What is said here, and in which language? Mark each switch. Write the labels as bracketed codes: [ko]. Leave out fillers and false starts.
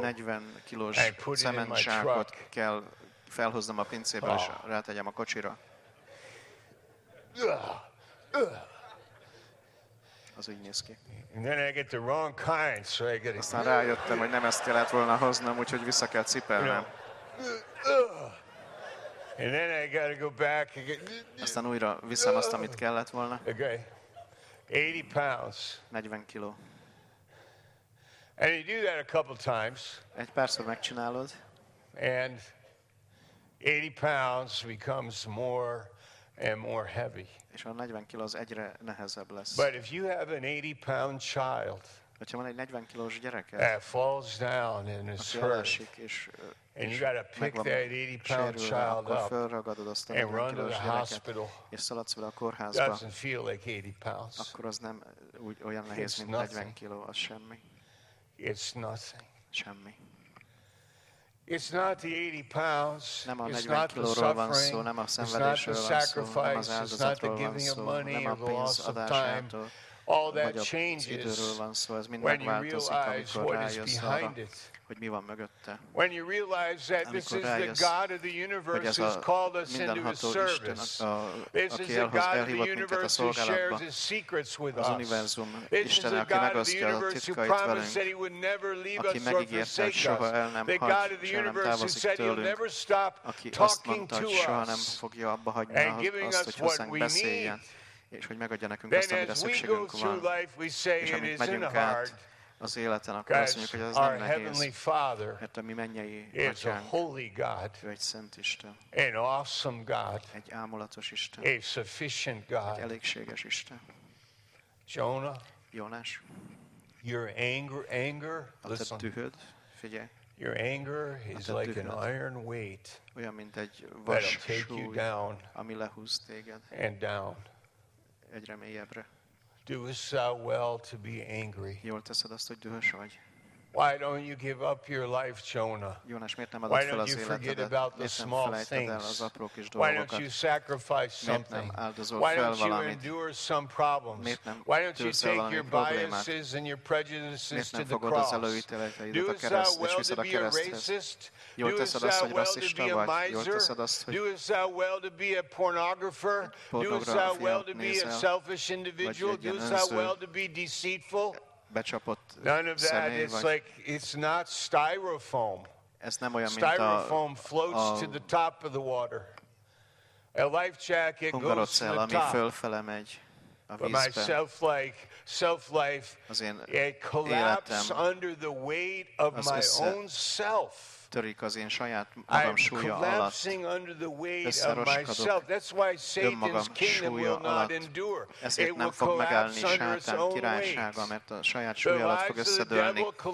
[hu] 40 kilós cementsákot kell felhoznom a pincéből, és rátegyem a kocsira. Az így néz ki. [en] And then I get the wrong kind, so I get [hu] aztán rájöttem, hogy nem ezt kellett volna hoznom, úgyhogy vissza kell cipelnem. [en] And then I got to go back and get. [hu] Aztán újra visszam azt, amit kellett volna. [en] 80 pounds. [hu] 40 kiló. [en] And you do that a couple times. [hu] Egy párszor megcsinálod. [en] And 80 pounds becomes more and more heavy. [hu] És a 40 kiló az egyre nehezebb lesz. [en] But if you have an 80-pound child, [hu] hogyha van egy 40 kilós gyereke, [en] that falls down and is hurt, and you got to pick that 80-pound child up and run to the hospital. [hu] És szaladsz vele a kórházba. [en] Doesn't feel like 80 pounds. [hu] Akkor az nem olyan nehéz, mint 40 kiló, az semmi. [en] It's nothing. [hu] Semmi. [en] It's not the 80 pounds. [hu] Nem a 40 kilóról van szó, nem a szenvedésről van szó, nem az áldozatról van szó, nem a pénz adásától. [en] All that changes when you realize what is behind it. When you realize that this is the God of the universe who's called us into his service. This is the God of the universe who shares his secrets with us. This is the God of the universe who promised that he would never leave us or forsake us. The God of the universe who said he'll never stop talking to us and giving us what we need. Then as we go through life, we say it is in hard. [hu] Az életen, akkor azt mondjuk, hogy ez nem nehéz, [en] Father, [hu] mert a mi mennyei atyánk, [en] a holy God, [hu] ő egy szent Isten, [en] an awesome God, [hu] egy ámulatos Isten, [en] a sufficient God. [hu] Egy elégséges Isten. [en] Jonah, [hu] Jonas, [en] your anger, [hu] a te tühöd, figyelj, [en] your anger is like an iron weight, [hu] olyan, mint egy vas súly, ami lehúz téged, [en] and down. [hu] Egyre mélyebbre. [en] Do us well to be angry. [hu] Jól teszed azt, hogy dühös vagy. [en] Why don't you give up your life, Jonah? [hu] Jonas, miért nem adod fel az életedet? [en] Why don't you forget about the small things? Why don't you sacrifice something? Why don't you endure some problems? Why don't you take your biases and your prejudices to the cross? Do us well to be a racist? Do us well to be a miser? Do us well to be a pornographer? Do us well to be a selfish individual? Do us well to be deceitful? None of that. It's like it's not styrofoam. [hu] Ez nem olyan, [en] styrofoam floats to the top of the water. A life jacket goes to the top. But my self-life, it collapses under the weight of my own self. [hu] Törik az én saját magam súlya alatt. Összeroskodok. [en] That's why Satan's kingdom will not endure. [hu] Ezért nem fog megállni Sátán királysága, mert a saját súlya alatt fog összedőlni.